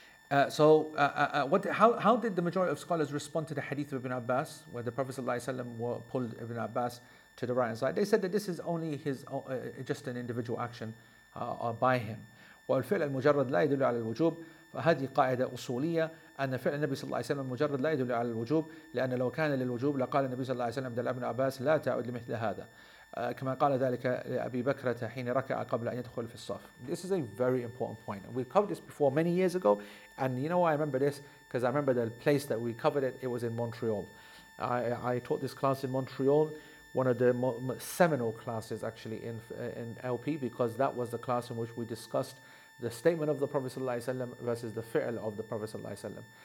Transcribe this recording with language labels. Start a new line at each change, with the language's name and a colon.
English: How did the majority of scholars respond to the hadith of Ibn Abbas, where the Prophet ﷺ pulled Ibn Abbas to the right hand side? They said that this is only his just an individual action by him.
Arabic: وَالْفِعْلَ الْمُجَرَّدُ لَا يَدُلُّ عَلَى الْوُجُوبِ فَهَذِهِ قَاعِدَةٌ أُصُولِيَّةٌ أن فعل النبي صلى الله عليه وسلم مجرد لا يدل على الوجوب لأن لو كان للوجوب لقال النبي صلى الله عليه وسلم لابن عباس لا تعود لمثل هذا كما قال ذلك لأبي بكرة حين ركع قبل أن يدخل في الصف.
English: This is a very important point. We covered this before many years ago, and you know why I remember this? Because I remember the place that we covered it. It was in Montreal. I taught this class in Montreal, one of the seminal classes actually in LP, because that was the class in which we discussed the statement of the Prophet ﷺ versus the fi'l of the Prophet ﷺ.